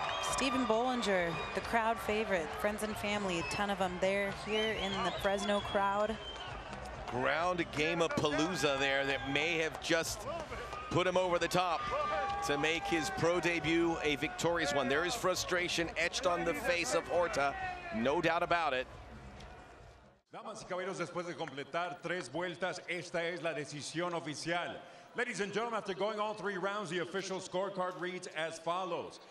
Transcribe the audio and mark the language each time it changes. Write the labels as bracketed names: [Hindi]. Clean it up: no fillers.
[English] Steven Bollinger, the crowd favorite, friends and family, a ton of them there here in the Fresno crowd. Ground game of Palooza there that may have just put him over the top to make his pro debut a victorious one. There is frustration etched on the face of Horta, no doubt about it. [Spanish] Damas y caballeros, después de completar tres vueltas, esta es la decisión oficial. [English] Ladies and gentlemen, after going all three rounds, the official scorecard reads as follows.